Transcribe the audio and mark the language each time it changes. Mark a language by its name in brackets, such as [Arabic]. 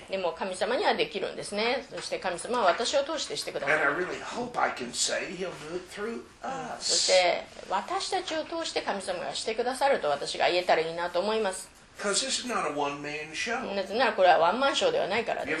[Japanese] でも神様にはできるんですね。そして神様は私を通してしてください。 [English] And I really hope I can say he'll do it through us. [Japanese] そして私たちを通して神様がしてくださると私が言えたらいいなと思います。なぜならこれはワンマンショーではないからです。